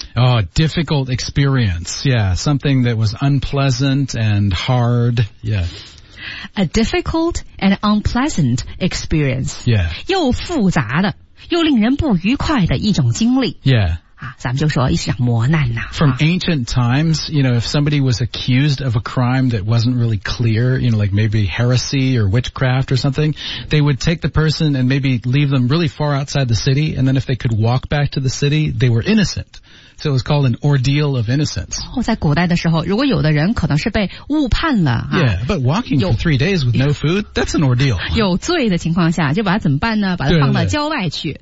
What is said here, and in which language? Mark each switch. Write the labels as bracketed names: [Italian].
[English] Oh, difficult experience Yeah, something that was unpleasant and hard Yeah A difficult and unpleasant experience Yeah [Chinese] 又复杂的又令人不愉快的一种经历 [English] Yeah [Chinese] 啊、咱们就说一场磨难呐、啊。 [English] From ancient times, you know, if somebody was accused of a crime that wasn't really clear, you know, like maybe heresy or witchcraft or something, they would take the person and maybe leave them really far outside the city, and then if they could walk back to the city, they were innocent. So it was called an ordeal of innocence. [Chinese] 哦，在古代的时候，如果有的人可能是被误判了、啊、 [English] Yeah, but walking for 3 days with no food, that's an ordeal. [Chinese] 有罪的情况下，就把他怎么办呢？把他放到郊外去。